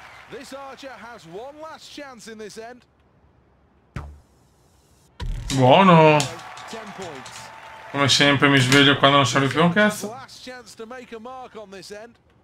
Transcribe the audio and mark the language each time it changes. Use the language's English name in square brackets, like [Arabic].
[English] This archer has one last chance in this end. [Italian] Buono. [English] 10 points. [Italian] Come sempre mi sveglio quando non serve più un cazzo. [English] Last chance to make a mark on this end.